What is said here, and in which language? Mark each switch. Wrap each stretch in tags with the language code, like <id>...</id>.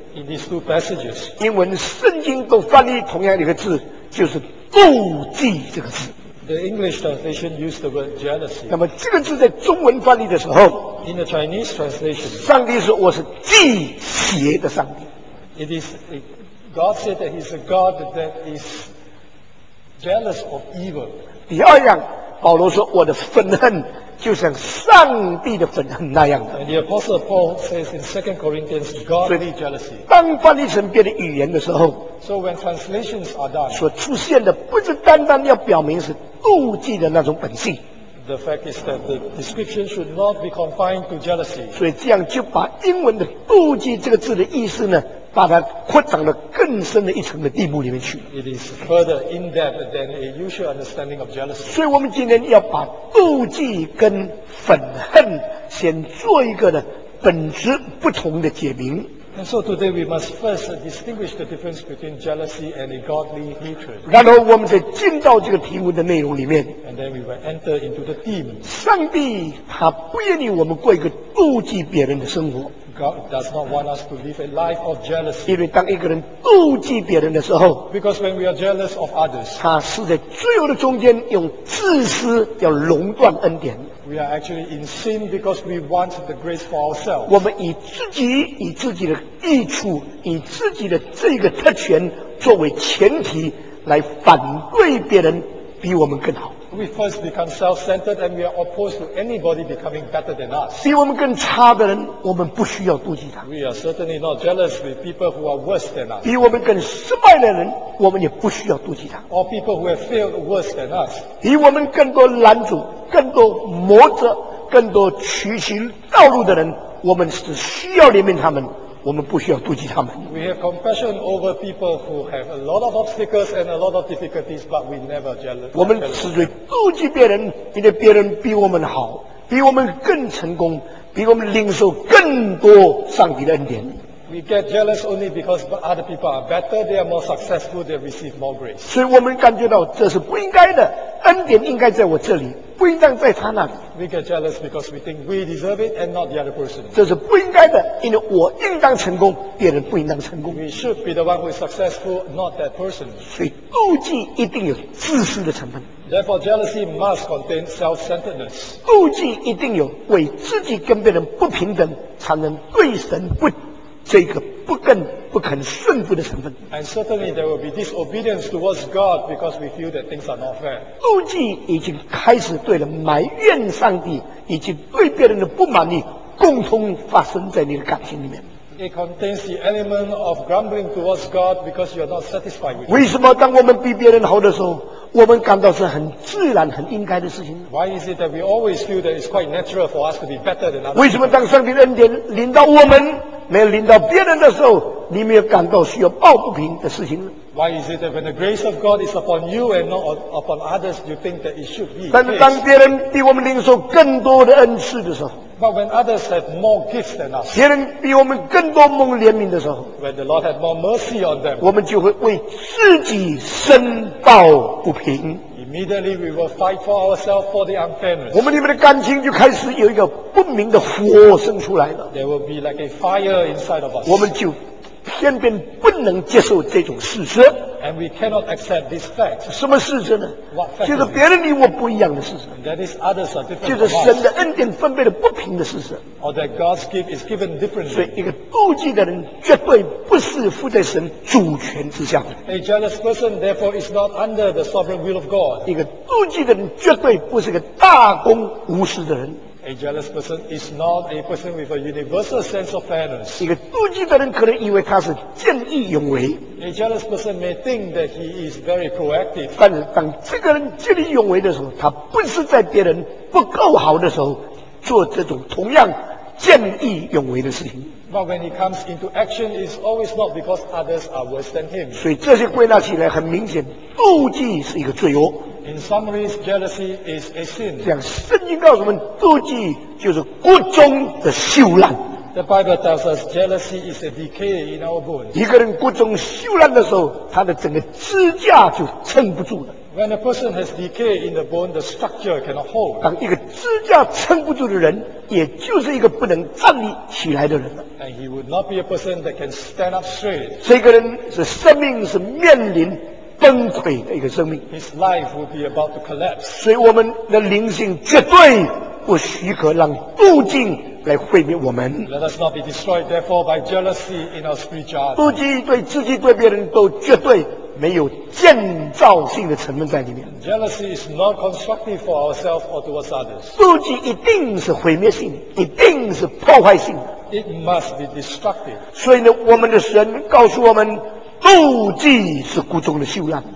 <en>，In these two passages，</en> <zh>英文圣经都翻译同样的一个字，就是妒忌这个字。</zh> <en>The English translation used the word jealousy.</en> <zh>那么这个字在中文翻译的时候</zh> <en>，In the Chinese translation，</en> <zh>上帝说我是祭邪的上帝。</zh> <en>It is a, God said that He's a God that is jealous of evil.</en> <zh>第二样，保罗说我的愤恨就像上帝的愤恨那样的。</zh> <en>And the Apostle Paul says in 2 Corinthians, Godly jealousy.</en> <zh>当翻译成别的语言的时候，</zh> <en>so when translations are done,</en> <zh>所出现的不是单单要表明是妒忌的那种本性。</zh> <en>The fact is that the description should not be confined to jealousy.</en> <zh>所以这样就把英文的妒忌这个字的意思呢，把它扩展了更深的一层的地步里面去。</zh> <en>It is further in depth than a usual understanding of jealousy.</en> <zh>所以我们今天要把妒忌跟愤恨先做一个呢本质不同的解明。</zh> <en>And so today we must first distinguish the difference between jealousy and a godly hatred.</en> <zh>然后我们再进到这个题目的内容里面。</zh> <en>And then we will enter into the theme.</en> <zh>上帝他不愿意我们过一个妒忌别人的生活。</zh> <en>God does not want us to live a life of jealousy.</en> <zh>因为当一个人妒忌别人的时候，</zh> <en>because when we are jealous of others,</en> <zh>他是在罪恶的中间用自私要垄断恩典。</zh> <en>We are actually in sin because we want the grace for ourselves.</en> <zh>我们以自己、以自己的益处、以自己的这个特权作为前提来反对别人比我们更好。</zh> <en>We first become self-centered and we are opposed to anybody becoming better than us.</en> <zh>比我们更差的人，我们不需要妒忌他。</zh> <en>We are certainly not jealous with people who are worse than us.</en> <zh>比我们更失败的人，我们也不需要妒忌他。</zh> <en>Or people who have failed worse than us.</en> <zh>比我们更多拦阻、更多磨折、更多曲曲道路的人，我们只需要怜悯他们，我们不需要妒忌他们。</zh> <en>We have compassion over people who have a lot of obstacles and a lot of difficulties, but we never jealous.</en> <zh>我们只会妒忌别人，因为别人比我们好，比我们更成功，比我们领受更多上帝的恩典。</zh> <en>We get jealous only because other people are better, they are more successful, they receive more grace.</en> <zh>所以我们感觉到这是不应该的，恩典应该在我这里，不应当在他那里。</zh> <en>We get jealous because we think we deserve it and not the other person.</en> <zh>这是不应该的，因为我应当成功，别人不应当成功。</zh> <en>We should be the one who is successful, not that person.</en> <zh>所以妒忌一定有自私的成分。</zh> <en>Therefore, jealousy must contain self-centeredness.</en> <zh>妒忌一定有为自己跟别人不平等，才能对神不这个不更不肯顺服的成分。</zh> <en>And certainly there will be disobedience towards God because we feel that things are not fair.</en> <zh>妒忌已经开始对了埋怨上帝以及对别人的不满意共同发生在你的感情里面。</zh> <en>It contains the element of grumbling towards God because you are not satisfied with it.</en> <zh>为什么当我们比别人好的时候，我们感到是很自然、很应该的事情？</zh> <en>Why is it that we always feel that it's quite natural for us to be better than others?</en> <zh>为什么当上帝的恩典临到我们，没有临到别人的时候，你没有感到需要抱不平的事情呢？</zh> <en>Why is it that when the grace of God is upon you and not upon others, you think that it should be?</en> <zh>但是当别人比我们领受更多的恩赐的时候，</zh> <en>But when others have more gifts than us,</en> <zh>别人比我们更多蒙怜悯的时候，</zh> <en>When the Lord had more mercy on them,</en> <zh>我们就会为自己申报不平。</zh> <en>Immediately we will fight for ourselves for the unfairness.</en> <zh>我们里面的感情就开始有一个不明的火生出来了。</zh> <en>There will be like a fire inside of us.</en> <zh>我们就偏偏不能接受这种事实。</zh> <en>And we cannot accept this fact.</en> <zh>什么事实呢？</zh> <en>What fact?</en> <zh>就是别人与我不一样的事实。</zh> <en>And that is others are different.</en> <zh>就是神的恩典分配的不平的事实。</zh> <en>Or that God's gift is given differently.</en> <zh>所以一个妒忌的人绝对不是附在神主权之下的。</zh> <en>A jealous person therefore is not under the sovereign will of God.</en> <zh>一个妒忌的人绝对不是个大公无私的人。</zh> <en>A jealous person is not a person with a universal sense of fairness.</en> <zh>一个妒忌的人可能以为他是见义勇为。</zh> <en>A jealous person may think that he is very proactive.</en> <zh>但是当这个人见义勇为的时候，他不是在别人不够好的时候做这种同样见义勇为的事情。</zh> <en>But when he comes into action, it's always not because others are worse than him.</en> <zh>所以这些归纳起来很明显，妒忌是一个罪恶。</zh> <en>In summary, jealousy is a sin.</en> <zh>这样圣经告诉我们，妒忌就是骨中的朽烂。</zh> <en>The Bible tells us jealousy is a decay in our bones.</en> <zh>一个人骨中朽烂的时候，他的整个支架就撑不住了。</zh> <en>When a person has decay in the bone, the structure cannot hold.</en> <zh>当一个支架撑不住的人，也就是一个不能站立起来的人了。</zh> <en>And he would not be a person that can stand up straight.</en> <zh>这个人是生命是面临崩溃的一个生命。</zh> <en>His life will be about to collapse.</en> <zh>所以我们的灵性绝对不许可让妒忌来毁灭我们。</zh> <en>Let us not be destroyed therefore by jealousy in our spiritual.</en> <zh>妒忌对自己对别人都绝对没有建造性的成分在里面。</zh> <en>Jealousy is not constructive for ourselves or towards others.</en> <zh>妒忌一定是毁灭性，一定是破坏性。</zh> <en>It must be destructive.</en> <zh>所以呢，我们的神告诉我们，妒忌是骨中的锈烂。</zh>